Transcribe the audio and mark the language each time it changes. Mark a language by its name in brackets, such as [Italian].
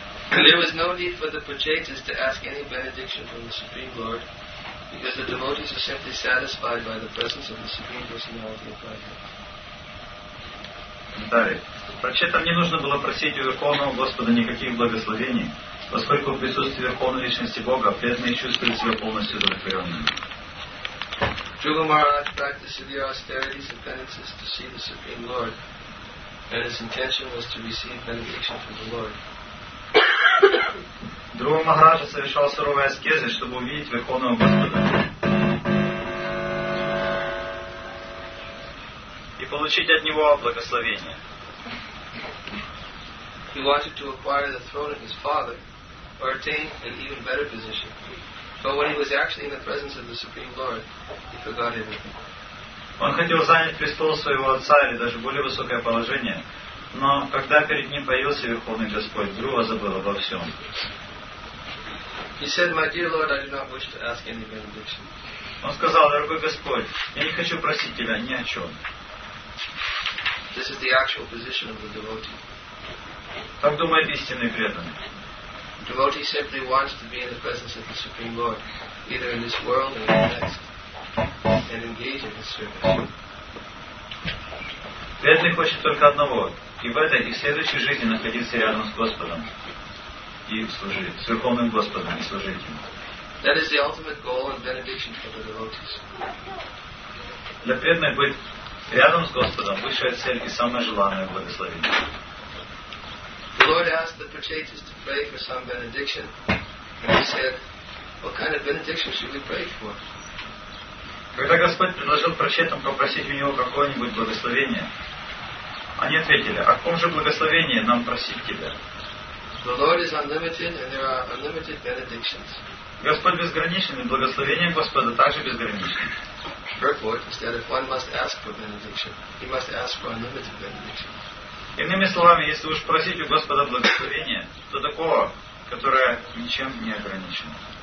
[English] There was no need for the projectors to ask any benediction from the Supreme Lord, because the devotees are simply satisfied by the presence of the Supreme Personality of Godhead. [Russian] Далее. Прочитав, не нужно было просить у Верховного Господа никаких благословений, поскольку в присутствии Верховной Личности Бога преданные чувствуют себя полностью удовлетворенными. [English] Dhruva Maharaj practiced severe austerities and penances to see the Supreme Lord, and his intention was to receive benediction from the Lord. [Russian] Дхрува Махараджа совершал суровые аскезы, чтобы увидеть Верховного Господа и получить от Него благословение. [English] He wanted to acquire the throne of his father, or attain an even better position. But when he was actually in the presence of the Supreme Lord, he forgot everything. [Russian] Он хотел занять престол своего отца или даже более высокое положение, но когда перед ним появился Верховный Господь, Дхрува забыл обо всем. [English] He said, "My dear Lord, I do not wish to ask any benediction." [Russian] Он сказал, дорогой Господь, я не хочу просить тебя ни о чем. [English] This is the actual position of the devotee. [Russian] Так думает истинный преданный. [English] The devotee simply wants to be in the presence of the Supreme Lord, either in this world or in the next, and engage in His service. [Russian] Преданный хочет только одного, и в этой и в следующей жизни находиться рядом с Господом. И служить, с Верховным Господом и служить Ему. [English] That is the ultimate goal and benediction for the devotees. [Russian] Для преданных быть Рядом с Господом высшая цель и самое желанное благословение. [English] The Lord asked the potatoes to pray for some benediction. And he said, what kind of benediction should we pray for? [Russian] Когда Господь предложил прочетам попросить у него какое-нибудь благословение, они ответили, о ком же благословении нам просить тебя? [English] The Lord is unlimited and there are unlimited benedictions. [Russian] Господь безграничен, и благословение Господа также безграничны. [English] Therefore, instead of one must ask for benediction, he must ask for unlimited benediction. [Russian] Иными словами, если уж просить у Господа благословения, то такого, которое ничем не ограничено.